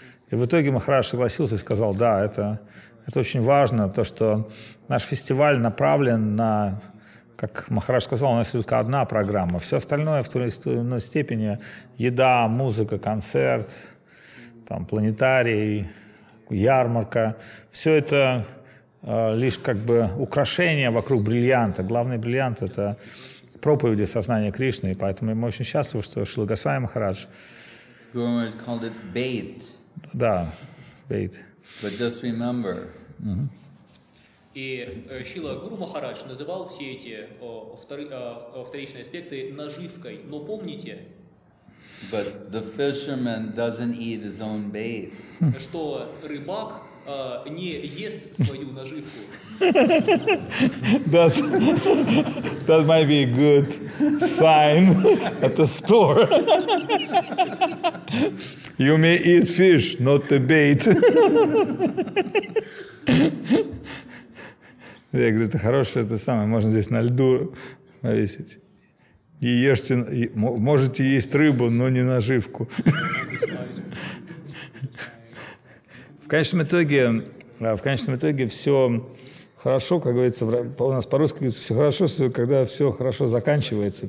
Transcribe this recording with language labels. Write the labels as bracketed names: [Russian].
[Russian] И в итоге Махарадж согласился и сказал, да, это очень важно, то, что наш фестиваль направлен на, как Махарадж сказал, у нас только одна программа, все остальное в той или иной степени, еда, музыка, концерт, там, планетарий, ярмарка, все это лишь как бы украшение вокруг бриллианта. Главный бриллиант — это проповеди сознания Кришны, и поэтому мы очень счастливы, что Шрила Госвами Махарадж. [English] Guru Maharaj called it bait. [Russian] Да, bait. [English] But just remember. [Russian] И Шрила Гуру Махарадж называл все эти вторичные аспекты наживкой, но помните. [English] But the fisherman doesn't eat his own bait. [Russian] Что рыбак не ест свою наживку. [English] That might be a good sign at the store. You may eat fish, not the bait. [Russian] Я говорю, это хорошее, это самое, можно здесь на льду повесить. Ешьте, можете есть рыбу, но не наживку. В конечном итоге все хорошо, как говорится, у нас по-русски говорится, все хорошо, когда все хорошо заканчивается.